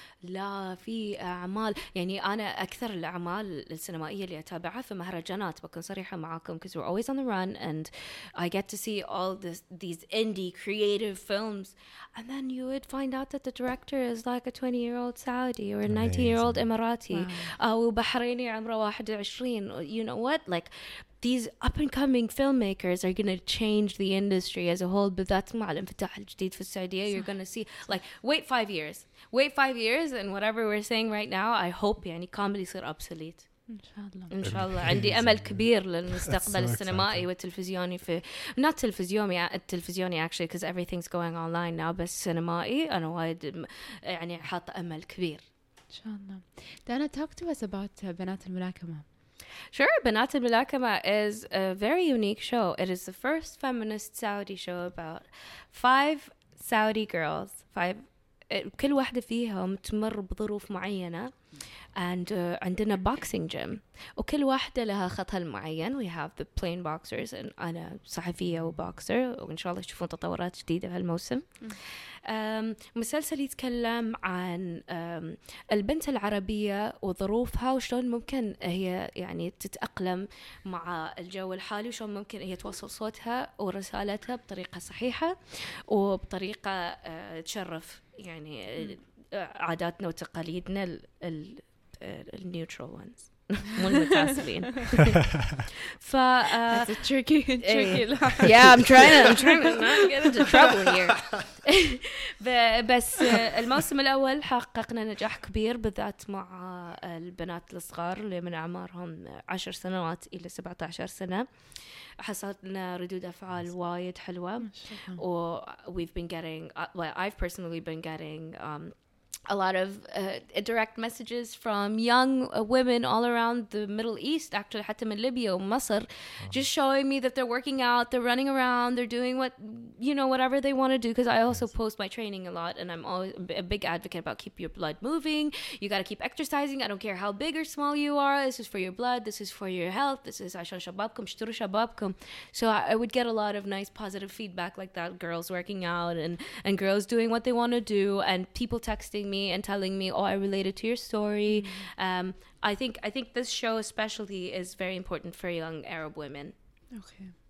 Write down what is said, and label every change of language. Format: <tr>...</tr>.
<ar>لا في أعمال يعني أنا أكثر الأعمال السينمائية اللي أتابعها في مهرجانات, بكون صريحة معاكم,</ar> <en>because we're always on the run and I get to see all these indie creative films, and then you would find out that the director is like a 20-year-old Saudi or a 19-year-old Emirati</en> <ar>أو بحريني عمره 21.</ar> <en>You know what? Like, these up-and-coming filmmakers are going to change the industry as a whole. But that's</en> <ar>مع الانفتاح الجديد في السعودية.</ar> <en>You're going to see, like, wait 5 years. Wait 5 years, and whatever we're saying right now, I hope,</en> <ar>يعني,</ar> <en>comedy is obsolete.</en> <ar>إن شاء الله. إن شاء الله. عندي أمل كبير للمستقبل السينمائي والتلفزيوني في,</ar> <en>not</en> <ar>تلفزيوني, التلفزيوني</ar> <en>actually, because everything's going online now,</en> <ar>بس سينمائي, أنا وايد, يعني, حاطة أمل كبير. إن شاء الله.</ar> <en>Dana, talk to us about بنات الملاكمة. Sure, Banat al-Mulakama is a very unique show. It is the first feminist Saudi show about five Saudi girls.</en> <ar>كل واحدة فيهم تمر بظروف معينة.</ar> <en>And</en> <ar>عندنا</ar> <en>boxing gym.</en> <ar>وكل واحدة لها خطها المعين.</ar> <en>We have the plain boxers. And</en> <ar>أنا صحفية وboxer. وإن شاء الله تشوفون تطورات جديدة هالموسم. مسلسل يتكلم عن البنت العربية وظروفها وشلون ممكن هي يعني تتأقلم مع الجو الحالي, وشلون ممكن هي توصل صوتها ورسالتها بطريقة صحيحة وبطريقة تشرف يعني عاداتنا وتقاليدنا النيوترال ones مو المتعصبين. ف</ar> <en>That's a tricky line. Yeah, I'm trying not to get into trouble here.</en> <ar>بس الموسم الأول حققنا نجاح كبير, بالذات مع البنات الصغار اللي من أعمارهم 10 سنوات إلى 17 سنة. حصلنا ردود أفعال وايد حلوة.</ar> <en>و we've been getting, well, I've personally been getting a lot of direct messages from young women all around the Middle East, actually,</en> <ar>حتى من ليبيا ومصر,</ar> <en>just showing me that they're working out, they're running around, they're doing what, you know, whatever they want to do. Because I also post my training a lot, and I'm always a big advocate about keep your blood moving. You got to keep exercising. I don't care how big or small you are. This is for your blood. This is for your health. This is</en> <ar>عشان شبابكم, اشتروا شبابكم.</ar> <en>So I would get a lot of nice, positive feedback like that. Girls working out and girls doing what they want to do, and people texting me and telling me, oh, I related to your story. I think this show especially is very important for young Arab women. Okay.</en>